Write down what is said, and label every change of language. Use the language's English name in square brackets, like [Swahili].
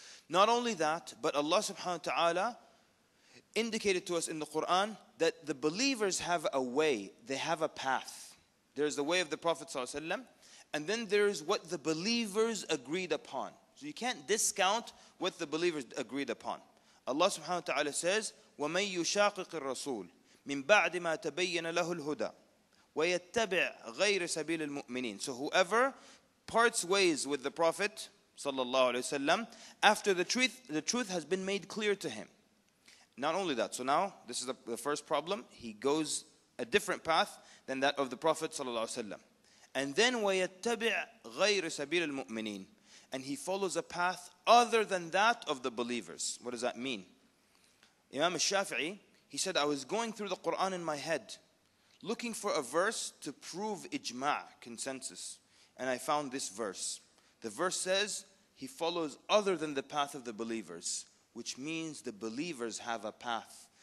[English] Not only that, but Allah subhanahu wa ta'ala indicated to us in the Quran that the believers have a way, they have a path. There's the way of the Prophet sallallahu alaihi wasallam, and then there's what the believers agreed upon. So you can't discount what the believers agreed upon. [Arabic] Allah subhanahu wa ta'ala [English] says, [Arabic] وَمَنْ يُشَاقِقِ الرَّسُولِ مِنْ بَعْدِ مَا تَبَيَّنَ لَهُ الْهُدَى وَيَتَّبِعْ غَيْرِ سَبِيلِ الْمُؤْمِنِينَ. [English] So whoever parts ways with the Prophet sallallahu alaihi wasallam after the truth has been made clear to him. Not only that, so now this is the first problem. He goes a different path than that of the Prophet sallallahu alaihi wasallam. And then [Arabic] وَيَتَّبِعْ غَيْرِ سَبِيلِ الْمُؤْمِنِينَ. [English] And he follows a path other than that of the believers. What does that mean? Imam al-Shafi'i, he said, I was going through the Quran in my head, looking for a verse to prove ijma', consensus. And I found this verse. The verse says, he follows other than the path of the believers, which means the believers have a path.